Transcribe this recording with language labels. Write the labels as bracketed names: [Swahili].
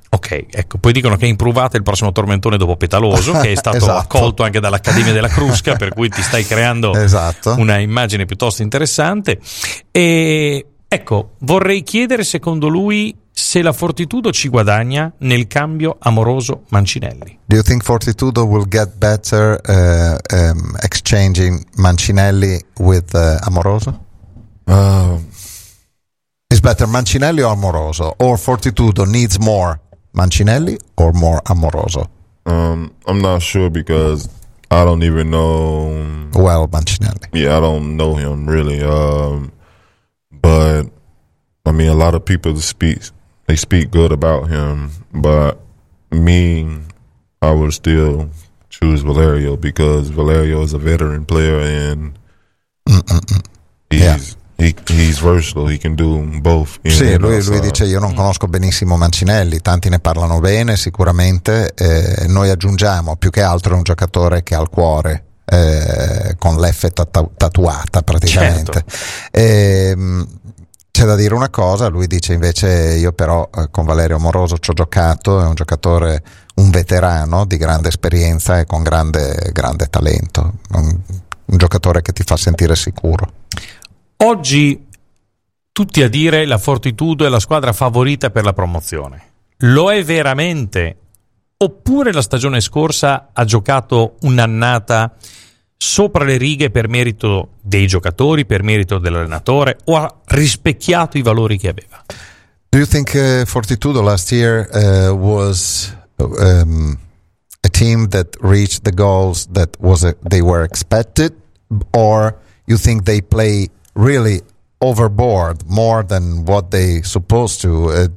[Italian] Ok, ecco, poi dicono che è improvato il prossimo tormentone dopo Petaloso, che è stato esatto, accolto anche dall'Accademia della Crusca, per cui ti stai creando esatto, una immagine piuttosto interessante. E ecco, vorrei chiedere secondo lui se la Fortitudo ci guadagna nel cambio Amoroso Mancinelli. [English] Do you think Fortitudo will get better exchanging Mancinelli with Amoroso? Is better Mancinelli or Amoroso? Or Fortitudo needs more Mancinelli or more Amoroso? I'm not sure because I don't even know well Mancinelli. Yeah, I don't know him really. But I mean, a lot of people speak good about him, but me, I would still choose Valerio because Valerio is a veteran player and he's versatile, he can do both. [Italian] Sì, lui dice io non conosco benissimo Mancinelli, tanti ne parlano bene sicuramente, noi aggiungiamo più che altro un giocatore che ha il cuore con l'F tatuata praticamente. Certo. C'è da dire una cosa, lui dice invece io però con Valerio Amoroso ci ho giocato, è un giocatore, un veterano di grande esperienza e con grande, grande talento, un giocatore che ti fa sentire sicuro. Oggi tutti a dire la Fortitudo è la squadra favorita per la promozione, lo è veramente? Oppure la stagione scorsa ha giocato un'annata sopra le righe per merito dei giocatori, per merito dell'allenatore, o ha rispecchiato i valori che aveva? [English] Do you think Fortitudo last year was a team that reached the goals that was they were expected, or you think they play really overboard, more than what they supposed to?